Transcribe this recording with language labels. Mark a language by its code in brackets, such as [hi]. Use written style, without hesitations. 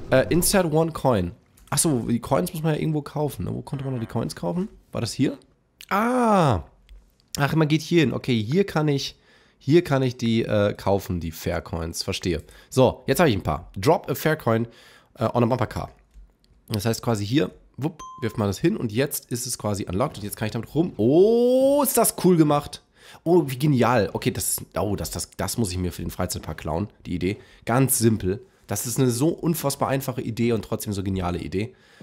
[en] Insert one coin. [de] Achso, die Coins muss man ja irgendwo kaufen. Ne? Wo konnte man noch die Coins kaufen? War das hier? Ah! Ach, man geht hier hin. Okay, hier kann ich die kaufen, die Fair Coins. Verstehe. So, jetzt habe ich ein paar. [en] Drop a Fair Coin on a bumper car. [de] Das heißt quasi hier, wupp, wirft man das hin und jetzt ist es quasi unlocked und jetzt kann ich damit rum. Oh, ist das cool gemacht. Oh, wie genial. Okay, das muss ich mir für den Freizeitpark klauen, die Idee. Ganz simpel. Das ist eine so unfassbar einfache Idee und trotzdem so geniale Idee.